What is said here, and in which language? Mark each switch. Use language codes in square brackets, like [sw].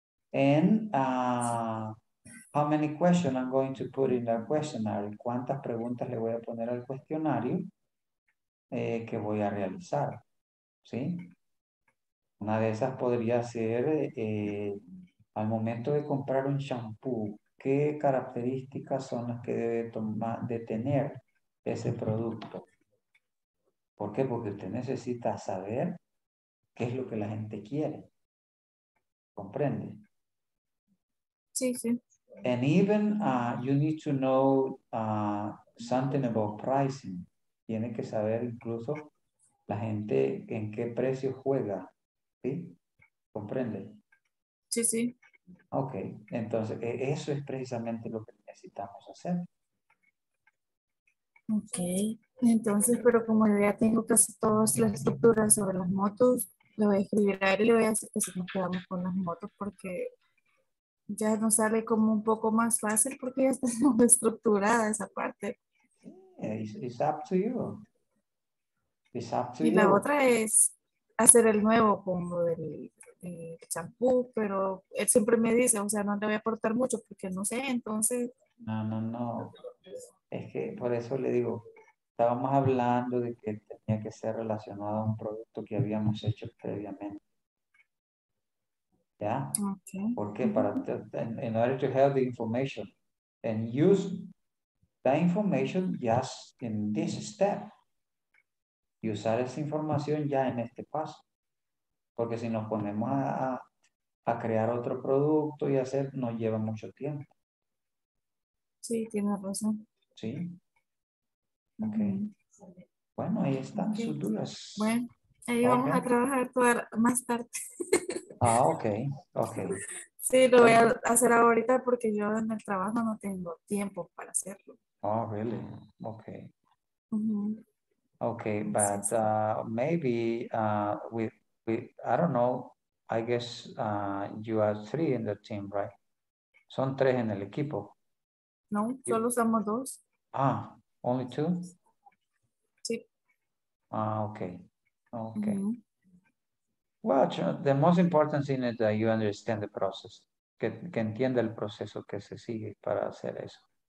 [en] And how many questions I'm going to put in the questionnaire? [es] ¿Cuántas preguntas le voy a poner al cuestionario que voy a realizar? ¿Sí? Una de esas podría ser al momento de comprar un shampoo, ¿qué características son las que debe tomar, de tener ese producto? ¿Por qué? Porque usted necesita saber qué es lo que la gente quiere. ¿Comprende? Sí, sí. [en] And even you need to know something about pricing. [es] Tiene que saber incluso la gente en qué precio juega. ¿Sí? ¿Comprende? Sí, sí. Ok, entonces eso es precisamente lo que necesitamos hacer. Ok, entonces, pero como ya tengo casi todas las estructuras sobre las motos, lo voy a escribir ahí y le voy a decir que si nos quedamos con las motos porque ya nos sale como un poco más fácil porque ya está estructurada esa parte. [en] It's up to you. It's up to [es] y [en] you. [es] La otra es hacer el nuevo como del champú, pero él siempre me dice, o sea, no le voy a aportar mucho porque no sé, entonces. No, no, no. Es que por eso le digo, estábamos hablando de que tenía que ser relacionado a un producto que habíamos hecho previamente. ¿Ya? [en] Okay. [es] ¿Por qué? [en] Para, in order to have the information and use that information just in this step. [es] Y usar esa información ya en este paso. Porque si nos ponemos a crear otro producto y hacer, nos lleva mucho tiempo. Sí, tienes razón. Sí. Ok. Mm-hmm. Bueno, ahí están okay. Sus dudas. Bueno, ahí okay. Vamos a trabajar toda, más tarde. [en] Ah, ok. Okay. [es] Sí, lo voy a hacer ahorita porque yo en el trabajo no tengo tiempo para hacerlo. [en] Oh, really? Ok. Mm-hmm. Ok, but maybe with I don't know. I guess you are three in the team, right? [es] Son tres en el equipo. No, solo somos dos. [en] Ah, only two? [es] Sí. [en] Ah, okay. Okay. Mm-hmm. Well, the most important thing is that you understand the process. [es] Que entienda el proceso que se sigue para hacer eso.